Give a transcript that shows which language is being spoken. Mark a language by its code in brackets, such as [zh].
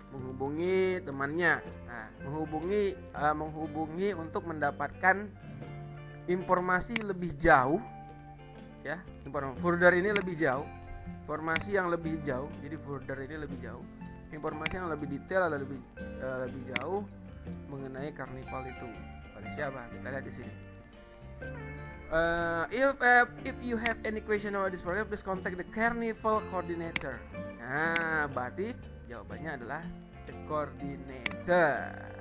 [id] Menghubungi temannya. Nah, menghubungi untuk mendapatkan informasi lebih jauh ya. Further ini lebih jauh. Informasi yang lebih jauh. Jadi further ini lebih jauh. Informasi yang lebih detail atau lebih jauh mengenai karnival itu. Pada siapa? Kita lihat di sini. [en] If you have any question about this program, please contact the carnival coordinator. [id] Nah, berarti jawabannya adalah [en] the coordinator.